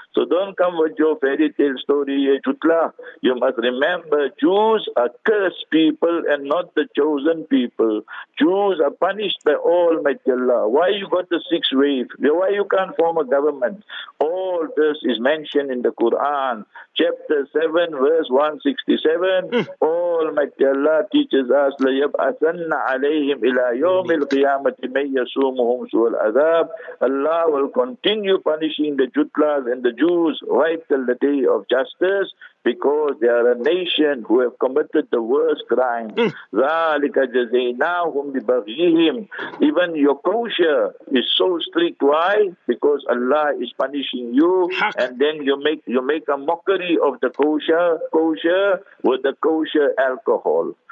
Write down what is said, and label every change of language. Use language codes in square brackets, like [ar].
[en] So don't come with your fairy tale story, Jutla. You must remember, Jews are cursed people and not the chosen people. Jews are punished by Almighty Allah. Why you got the sixth wave? Why you can't form a government? All this is mentioned in the Quran. Chapter 7, verse 167. Almighty Allah teaches us, [ar] لَيَبْعَثَنَّ عَلَيْهِمْ إِلَىٰ يَوْمِ الْقِيَامَةِ مَنْ يَسُومُهُمْ سُوَ الْعَذَابِ. [en] Allah will continue punishing the Jutlas and the Jews right till the day of justice, because they are a nation who have committed the worst crime. [ar] ذَلِكَ جَزَيْنَاهُمْ بِبَغْيِهِمْ. [en] Even your kosher is so strict. Why? Because Allah is punishing you, and then you make a mockery of the kosher with the kosher alcohol.